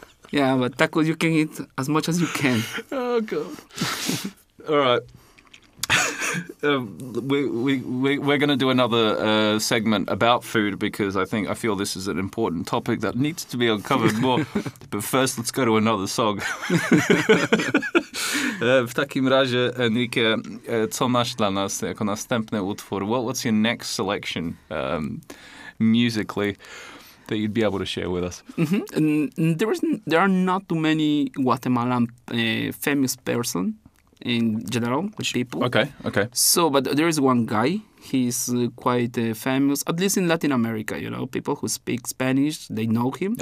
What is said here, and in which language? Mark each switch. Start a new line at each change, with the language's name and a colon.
English: Yeah, but tacos, you can eat as much as you can. Oh god. All right. we're going to do another segment about food because I feel this is an important topic that needs to be uncovered more. But first, let's go to another song.
Polish: W takim razie, Enrique, co masz dla nas jako następny utwór?
English: What's your next selection musically that you'd be able to share with us? Mm-hmm. There are not too many Guatemalan famous person. In general, with people. Okay. So, but there is one guy, he's quite famous, at least in Latin America, you know, people who speak Spanish, they know him.